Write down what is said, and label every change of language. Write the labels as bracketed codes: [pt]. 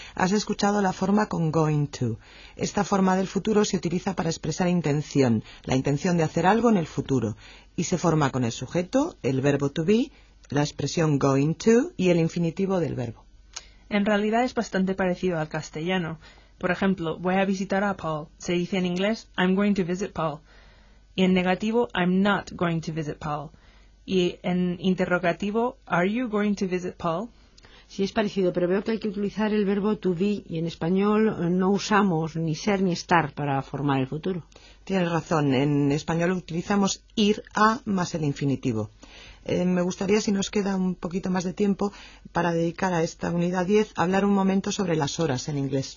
[es] Has escuchado la forma con going to. Esta forma del futuro se utiliza para expresar intención, la intención de hacer algo en el futuro. Y se forma con el sujeto, el verbo to be, la expresión going to y el infinitivo del verbo. En realidad es bastante parecido al castellano. Por ejemplo, voy a visitar a Paul. Se dice en inglés, [en] I'm going to visit Paul. [es] Y en negativo, [en] I'm not going to visit Paul. [es] Y en interrogativo, [en] are you going to visit Paul? [es] Sí, es parecido, pero veo que hay que utilizar el verbo to be, y en español no usamos ni ser ni estar para formar el futuro. Tienes razón, en español utilizamos ir a más el infinitivo. Me gustaría, si nos queda un poquito más de tiempo, para dedicar a esta unidad 10, hablar un momento sobre las horas en inglés.